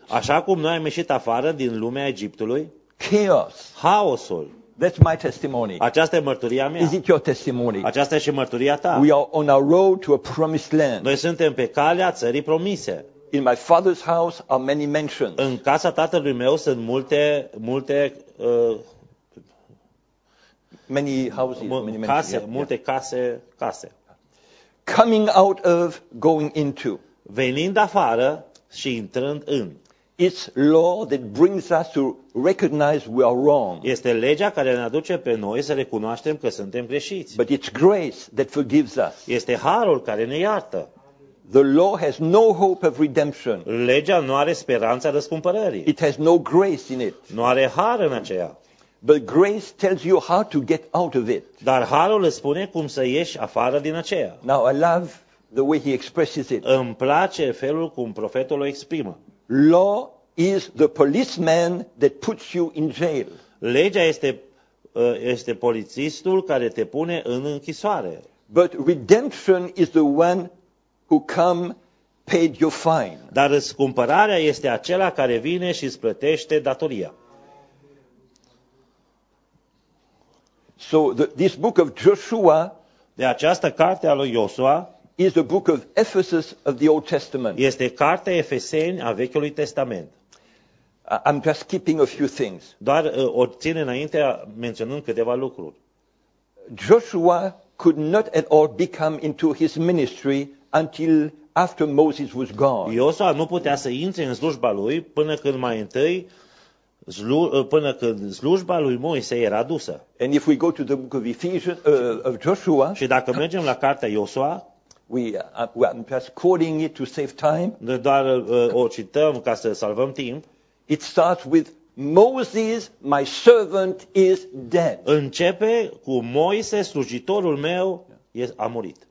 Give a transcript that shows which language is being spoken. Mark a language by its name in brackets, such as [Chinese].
[Romanian] Așa cum noi am ieșit afară din lumea Egiptului. [English] Chaos. [Romanian] Haosul. [English] That's my testimony. [Romanian] Aceasta e mărturia mea. [English] Is it your testimony? [Romanian] Aceasta e și mărturia ta. [English] We are on our road to a promised land. [Romanian] Noi suntem pe calea țării promise. [English] In my father's house are many mansions. [Romanian] În casa tatălui meu sunt multe, multe [English] many houses, many mansions. [Romanian] Case, yeah, multe, yeah. Case. [English] Coming out of, going into. [Romanian] Venind afară și intrând în. [English] It's law that brings us to recognize we are wrong. [Romanian] Este legea care ne aduce pe noi să recunoaștem că suntem greșiți. [English] But it's grace that forgives us. [Romanian] Este harul care ne iartă. [English] The law has no hope of redemption. [Romanian] Legea nu are speranța răscumpărării. [English] It has no grace in it. [Romanian] Nu are har în aceea. [English] But grace tells you how to get out of it. [Romanian] Dar harul îți spune cum să ieși afară din aceea. [English] Now I love the way he expresses it. [Romanian] Îmi place felul cum profetul o exprimă. [English] Law is the policeman that puts you in jail. [Romanian] Legea este este polițistul care te pune în închisoare. [English] But redemption is the one who come paid your fine. [Romanian] Dar răscumpărarea este acela care vine și îți plătește datoria. [English] So this book of Joshua, [Romanian] de această carte a lui Iosua, [English] is the book of Ephesus of the Old Testament. [Romanian] Este cartea Efeseni a Vechiului Testament. [English] I'm just keeping a few things. [Romanian] Doar o țin înainte menționând câteva lucruri. [English] Joshua could not at all become into his ministry until after Moses was gone. [Romanian] Iosua nu putea să intre în slujba lui până când mai întâi până când slujba lui Moise era dusă. [English] And if we go to the book of Ephesians of Joshua, [Romanian] și dacă mergem la cartea Iosua, [English] we are just quoting it to save time. [Romanian] Doar o cităm ca să salvăm timp. [English] It starts with Moses, my servant is dead. [Romanian] Începe cu Moise, slujitorul meu a murit.